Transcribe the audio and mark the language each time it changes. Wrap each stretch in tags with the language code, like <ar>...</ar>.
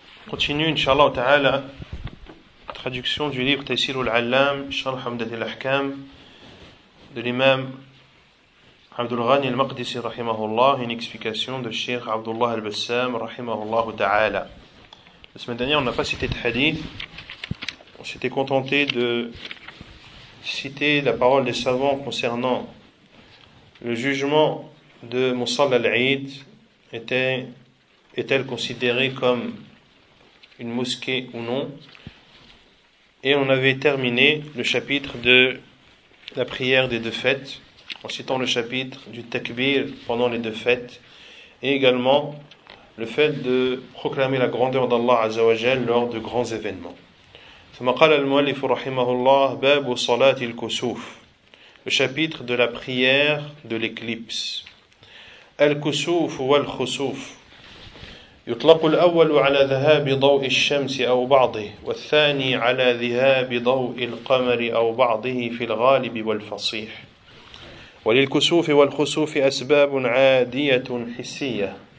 <fr>Continue</fr> <ar>إن شاء الله تعالى</ar> <fr>traduction du livre تيسير العلام شرح عمدة الأحكام de l'imam عبد الغني المقدسي رحمه الله une explication de الشيخ عبد الله البسام رحمه الله تعالى. La semaine dernière, on n'a pas cité de hadith. On s'était contenté de citer la parole des savants concernant le jugement de Moussal al-Aïd est-elle considérée comme une mosquée ou non. Et on avait terminé le chapitre de la prière des deux fêtes en citant le chapitre du takbir pendant les deux fêtes et également le fait de proclamer la grandeur d'Allah Azzawajal lors de grands événements.</fr> <ar>ثم قال المؤلف رحمه الله باب صلاة الكسوف</ar> <fr>chapitre de la prière de l'éclipse.</fr> <ar>الكسوف والخسوف يطلق الأول على ذهاب ضوء الشمس أو بعضه والثاني على ذهاب ضوء القمر أو بعضه في الغالب والفصيح وللكسوف والخسوف أسباب عادية حسية</ar>